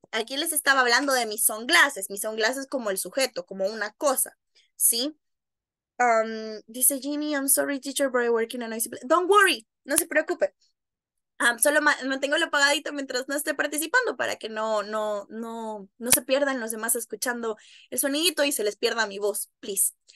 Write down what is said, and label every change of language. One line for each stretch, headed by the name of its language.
Spanish: Aquí les estaba hablando de mis sunglasses como el sujeto, como una cosa, ¿sí? Dice
English: Jimmy, I'm sorry, teacher, but I'm working on a noisy place. Don't worry,
Spanish: no se preocupe. Solo mantengo lo apagadito mientras no esté participando para que no se pierdan los demás escuchando el sonidito y se les pierda mi voz, please.